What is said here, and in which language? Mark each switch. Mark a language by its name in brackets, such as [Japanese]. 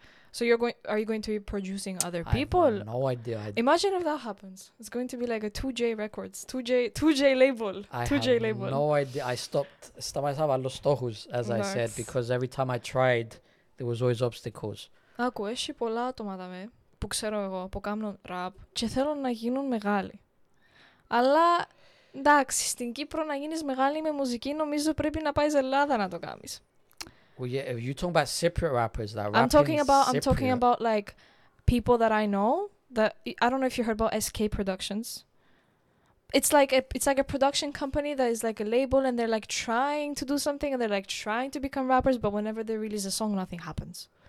[English] So are you going to be producing other people? I have no idea. Imagine if that happens. It's going to be like a 2J Records, 2J label. No idea. I stopped los tojos, as I said, because every time I tried, there was always obstacles. [Greek] Άκου, έχει πολλά άτομα δαμε που ξέρω εγώ που κάνουν rap και θέλουν να γίνουν μεγάλοι. Αλλά εντάξει, στην Κύπρο να γίνεις μεγάλη με μουσική νομίζω πρέπει να πάεις Ελλάδα να το κάνεις. [English] Well, yeah, you're talking about Cypriot rappers that I'm talking about like people that I know that I don't know if you heard about SK Productions. It's like a production company that is like a label and they're like trying to do something and they're like trying to become rappers, but whenever they release a song, nothing happens.